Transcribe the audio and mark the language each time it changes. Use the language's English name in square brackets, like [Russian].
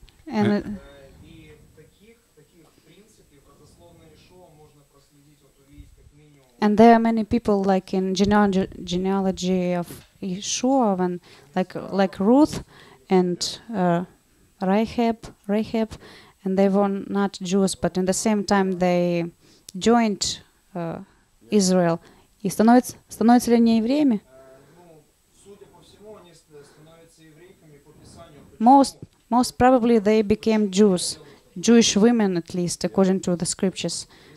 [Russian] И таких принципов, родословное шоу можно проследить, вот увидеть как минимум. [English] And there are many people like in genealogy of Yeshua, when like Ruth and Rahab, and they were not Jews, but in the same time they joined Israel. [Russian] И становятся ли они евреями? Судя по всему, они становятся еврейками по Писанию. [English] Most probably they became Jews, Jewish women at least, according to the scriptures.